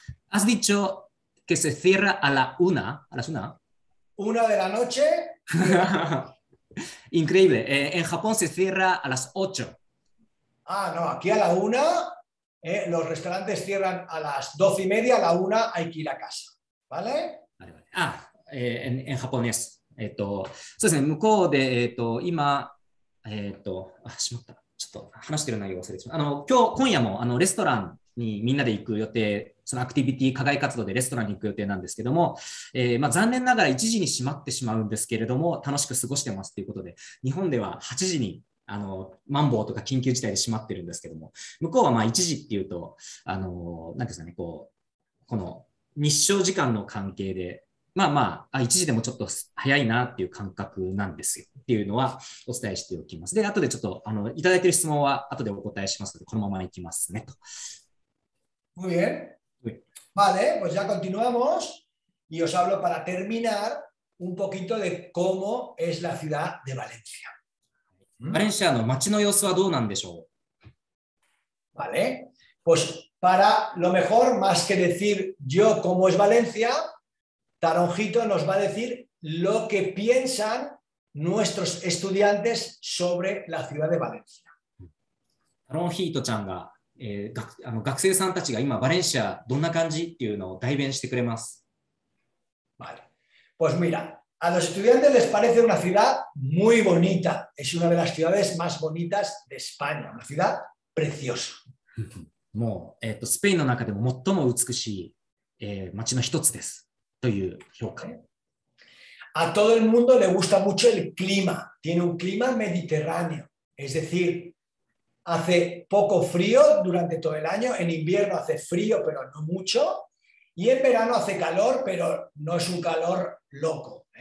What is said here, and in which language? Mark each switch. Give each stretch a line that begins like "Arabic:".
Spanish: Has dicho que se cierra a la una, a las una. Una de la noche. Increíble. En Japón se cierra a las 8. Ah, no, aquí a la una. Los restaurantes cierran a las 12:30, a la una hay que ir a casa. ¿Vale? Vale, vale. Ah, en japonés.
Japanese: そうですね、向こうで、今、あ、しまった。ちょっと話してる内容忘れてしまった。今夜もレストランにみんなで行く予定、そのアクティビティ、課外活動でレストランに行く予定なんですけども、残念ながら1時に閉まってしまうんですけれども、楽しく過ごしてますということで、日本では8時に、マンボウとか緊急事態で閉まってるんですけども、向こうはまあ1時っていうと、なんですかね、この日照時間の関係で、まあまあ、1時でもちょっと早いなっていう感覚なんですよっていうのはお伝えしておきます。で、後でちょっと、いただいてる質問は後でお答えしますので、このままいきますねと。
Spanish: Muy bien. Vale, pues ya continuamos y os hablo para terminar un poquito de cómo es la ciudad de Valencia.
Japanese: ¿Valencia の街の様子はどうなんでしょう?
Spanish: Vale, pues para lo mejor, más que decir yo cómo es Valencia, Taronjito nos va a decir lo que piensan nuestros estudiantes sobre la ciudad de Valencia.
Japanese: Taronjito ちゃんが学生さんたちが今バレンシアどんな感じっていうのを代弁してくれます。
Spanish: Vale. Pues mira, a los estudiantes les parece una ciudad muy bonita. Es una de las ciudades más bonitas de España. Una ciudad preciosa.
Japanese: もう、スペインの中でも最も美しい、街の一つですという評価。
Spanish: A todo el mundo le gusta mucho el clima. Tiene un clima mediterráneo. Es decir,hace poco frío durante todo el año. En invierno hace frío, pero no mucho. Y en verano hace calor, pero no es un calor loco.